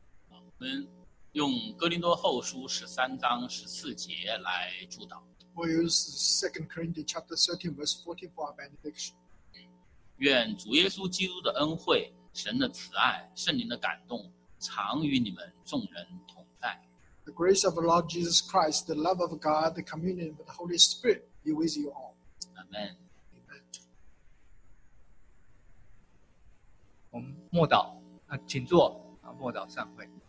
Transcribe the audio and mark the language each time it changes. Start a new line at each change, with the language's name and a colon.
Chinese: 我们用哥林多后书十三章十四节来祝祷。
English: We use Second Corinthians chapter 13 verse 14 for our benediction.
Chinese: 愿主耶稣基督的恩惠、神的慈爱、圣灵的感动，常与你们众人同在。
English: The grace of the Lord Jesus Christ, the love of God, the communion with the Holy Spirit be with you all. Amen. Amen.
Chinese: 我们默祷，请坐，默祷散会。